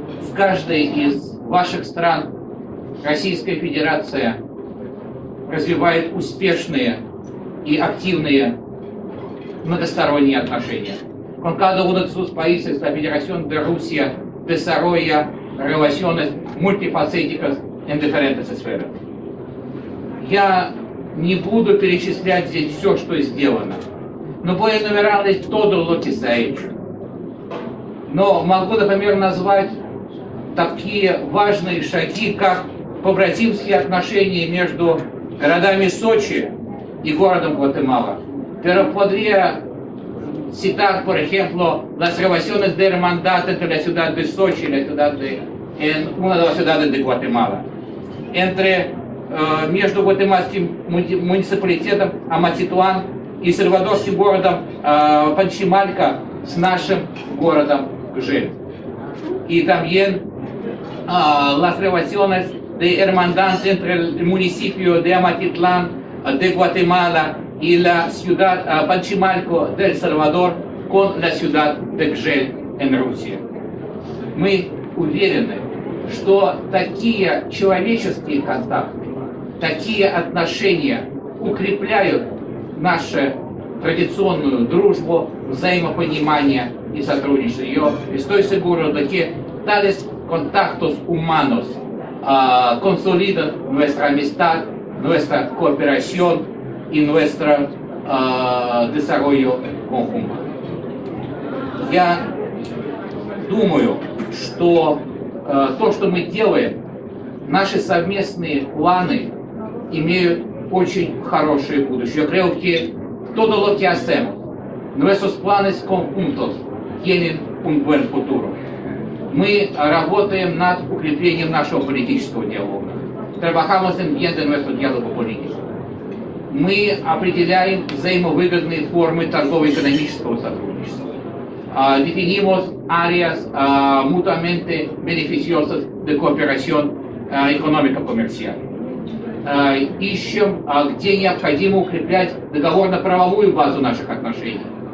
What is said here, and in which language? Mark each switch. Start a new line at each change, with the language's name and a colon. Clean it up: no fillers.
Russian: В каждой из ваших стран Российская Федерация развивает успешные и активные многосторонние отношения.
Spanish: Con cada uno de sus países, la Federación de Rusia desarrolla relaciones multifacéticas en diferentes esferas.
Russian: Я не буду перечислять здесь все, что сделано.
Spanish: Но voy a enumerar todo lo que se ha hecho.
Russian: Но могу, например, назвать такие важные шаги, как побратимские отношения между городами Сочи и городом Гватемала.
Spanish: Pero podría citar, por ejemplo, las relaciones de hermandad entre la ciudad de Sochi y la ciudad de, en una de las ciudades de Guatemala. Entre,
Russian: между гватемальским муниципалитетом Амаситуан и сальвадорским городом Панчималька с нашим городом Гжель. И там
Spanish: las relaciones de hermandad entre el municipio de Amatitlán de Guatemala y la ciudad Pachimalco de El Salvador con la ciudad de Гжель en Rusia.
Russian: Мы уверены, что такие человеческие контакты, такие отношения укрепляют нашу традиционную дружбу, взаимопонимание и сотрудничество.
Spanish: Y estoy seguro de que tales contactos humanos consolidan nuestra amistad, nuestra cooperación y nuestro desarrollo conjunto.
Russian: Я думаю, что то, что мы делаем, наши совместные планы имеют очень хорошее будущее.
Spanish: Я creo que todo lo que hacemos, nuestros planes conjuntos tienen un buen futuro.
Russian: Мы работаем над укреплением нашего политического диалога.
Spanish: Trabajamos en bien de nuestro diálogo político.
Russian: Мы определяем взаимовыгодные формы торгово-экономического сотрудничества.
Spanish: Definimos áreas mutuamente beneficiosas de cooperación económico-comercial.
Russian: Ищем, где необходимо укреплять договорно-правовую базу наших отношений.